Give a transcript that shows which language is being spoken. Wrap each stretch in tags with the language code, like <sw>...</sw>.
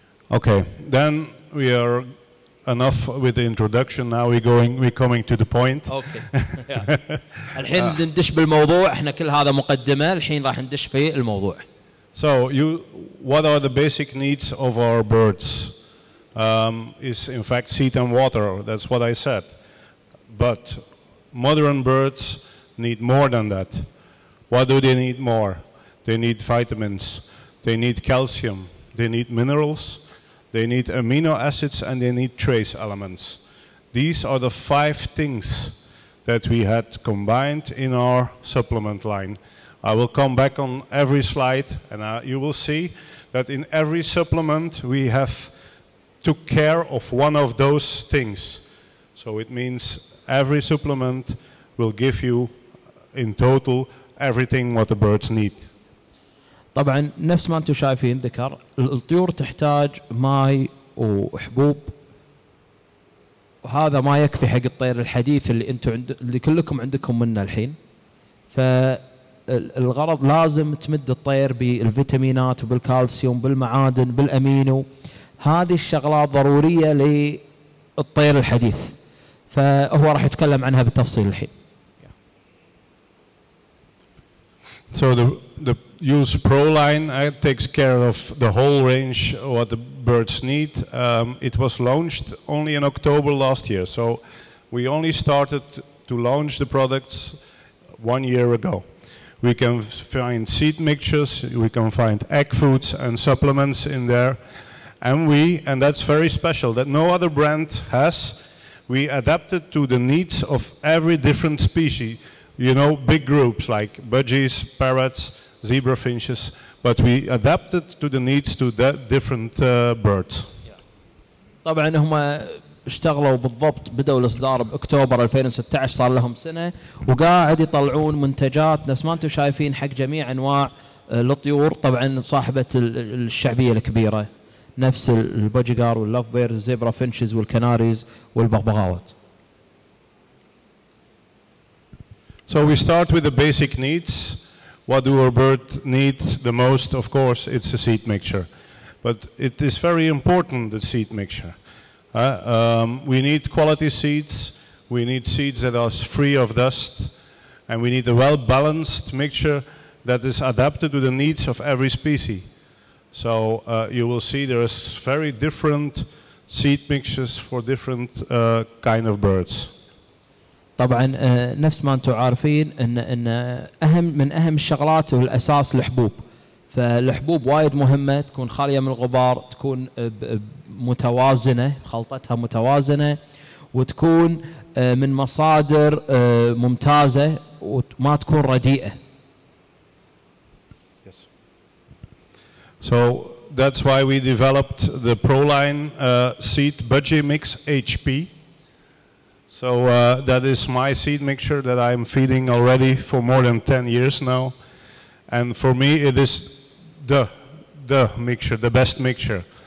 <en>Okay then we are enough with the introduction now we're coming to the point</en> <ar>okay الحين ندش بالموضوع احنا كل هذا مقدمه الحين راح ندش في الموضوع</ar> <en>so you what are the basic needs of our birds is in fact seed and water that's what I said but modern birds need more than that what do they need more they need vitamins they need calcium they need minerals They need amino acids and they need trace elements. These are the five things that we had combined in our supplement line. I will come back on every slide and you will see that in every supplement we have took care of one of those things. So it means every supplement will give you in total everything what the birds need.</en> <ar>طبعا نفس ما انتم شايفين ذكر الطيور تحتاج ماي وحبوب. وهذا ما يكفي حق الطير الحديث اللي انتم عند اللي كلكم عندكم منه الحين. فالغرض لازم تمد الطير بالفيتامينات وبالكالسيوم بالمعادن بالامينو. هذه الشغلات ضرورية للطير الحديث، فهو راح يتكلم عنها بالتفصيل الحين.</ar> <en>So the use Proline takes care of the whole range what the birds need. It was launched only in October last year, so we only started to launch the products 1 year ago. We can find seed mixtures, we can find egg foods and supplements in there, and we, and that's very special that no other brand has, we adapted to the needs of every different species. You know, big groups like budgies, parrots, zebra finches, but we adapted to the needs to the different birds.</en> <ar>طبعا هم اشتغلوا بالضبط، بدأوا الاصدار باكتوبر 2016، صار لهم سنة وقاعد يطلعون منتجات نفس ما انتم شايفين حق جميع انواع الطيور. طبعا صاحبة الشعبية الكبيرة نفس البودجي جار واللوف بير والزيبرا فينشز والكناريز والبغبغاوات.</ar> <en>So we start with the basic needs. What do our bird need the most? Of course, it's a seed mixture. But it is very important, the seed mixture. We need quality seeds. We need seeds that are free of dust. And we need a well-balanced mixture that is adapted to the needs of every species. So you will see there is very different seed mixtures for different kind of birds.</en> <ar>طبعا نفس ما انتم عارفين ان اهم من اهم الشغلات والاساس الحبوب. فالحبوب وايد مهمه تكون خاليه من الغبار، تكون متوازنه خلطتها متوازنه، وتكون من مصادر ممتازه وما تكون رديئه.</ar> <en>Yes. So that's why we developed the Proline seed budgie mix HP. So that is my seed mixture that I'm feeding already for more than 10 years now. And for me, it is the mixture, the best mixture.</en>